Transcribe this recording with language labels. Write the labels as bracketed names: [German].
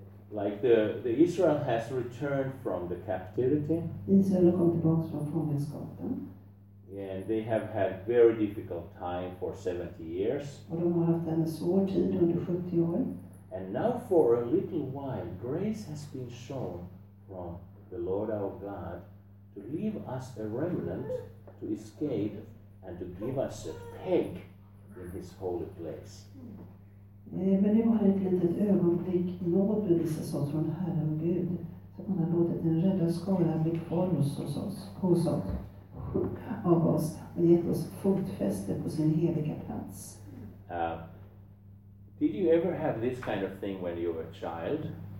[English] Like the Israel has returned from the captivity. [Swedish] Israel har kommit tillbaka från fångenskapen. [English] And they have had very difficult time for 70 years. [Swedish] Och de har haft en svår tid under 70 år. [English] And now for a little while grace has been shown from the Lord our God to leave us a remnant to escape and to give us a peg in his holy place. [Swedish] Men nu har ett litet ögonblick nåd bevisas oss från Herren Gud, så han har låtit den rädda skara bli kvar hos oss och gett oss fotfäste på sin heliga plats. [English] Did you ever have this kind of thing when you were a child?